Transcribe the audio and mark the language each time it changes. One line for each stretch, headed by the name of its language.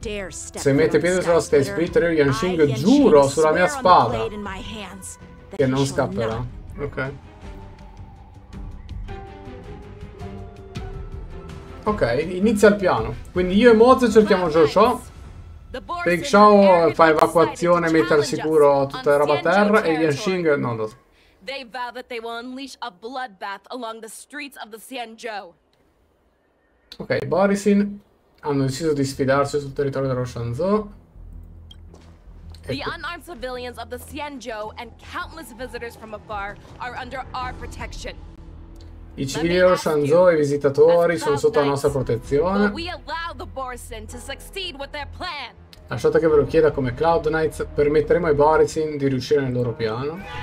Italian: Se mette piede sulla Sky Splitter, io Yanxing giuro sulla mia spada che non scapperà. Ok. Ok, inizia il piano. Quindi io e Moz cerchiamo Joshua. Big Show fa evacuazione, mette al sicuro tutta la roba a terra e Yanxing non lo so.
English: They vow that they will unleash a bloodbath along the streets of the Xianzhou.
Italian: Ok, Borisin hanno deciso di sfidarsi sul territorio dello Shanzhou.
English: The unarmed civilians of the Xianzhou and countless visitors from afar are under our protection.
Italian: I civili dello Shanzhou e i visitatori sono sotto la nostra protezione.
English: We allow the Borisin to succeed with their plan.
Italian: Lasciate che ve lo chieda, come Cloud Knights permetteremo ai Borisin di riuscire nel loro piano?